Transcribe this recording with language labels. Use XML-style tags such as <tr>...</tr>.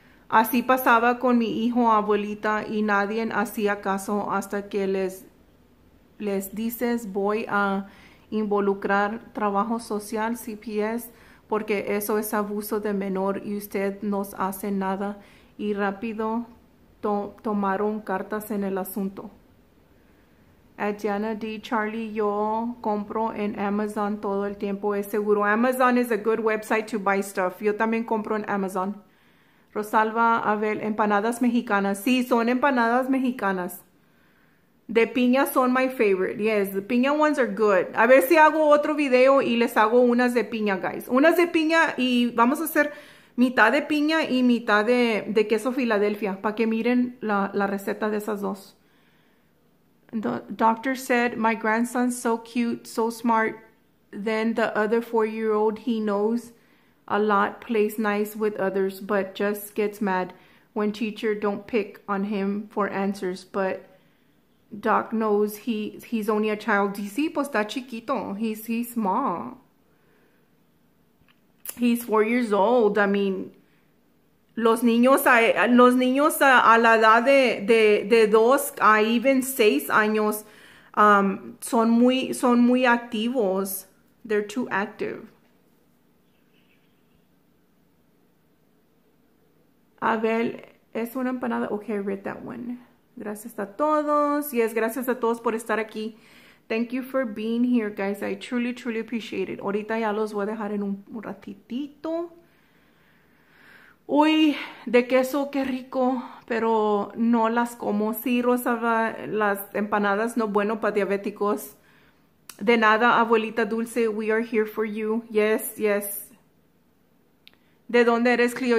<es>Así pasaba con mi hijo, abuelita, y nadie hacía caso hasta que les dices, voy a involucrar trabajo social, CPS, porque eso es abuso de menor y usted no hace nada. Y rápido tomaron cartas en el asunto. Adriana D. Charlie, yo compro en Amazon todo el tiempo. Es seguro.</es> <en>Amazon is a good website to buy stuff.</en> <es>Yo también compro en Amazon. Rosalba, a ver, empanadas mexicanas. Sí, son empanadas mexicanas. De piña son</es> <en>my favorite. Yes, the piña ones are good.</en> <es>A ver si hago otro video y les hago unas de piña, guys. Unas de piña y vamos a hacer mitad de piña y mitad de queso Filadelfia para que miren la receta de esas dos.</es> <en>The doctor said, my grandson's so cute, so smart. Then the other four-year-old, he knows a lot, plays nice with others, but just gets mad when teacher don't pick on him for answers. But Doc knows he's only a child.</en> <es>Sí, pues está chiquito.</es> <en>He's small. He's 4 years old. I mean,</en> <es>los niños a la edad de 2 a even 6 años son muy activos.</es> <en>They're too active.</en> <es>Abel, es una empanada.</es> <en>Okay, I read that one.</en> <es>Gracias a todos. Yes, gracias a todos por estar aquí.</es> <en>Thank you for being here, guys. I truly, truly appreciate it.</en> <es>Ahorita ya los voy a dejar en un ratitito. Uy, de queso, qué rico. Pero no las como. Sí, Rosa, las empanadas no bueno para diabéticos. De nada, abuelita dulce.</es> <en>We are here for you. Yes.</en> <es>¿De dónde eres, Clio?</es>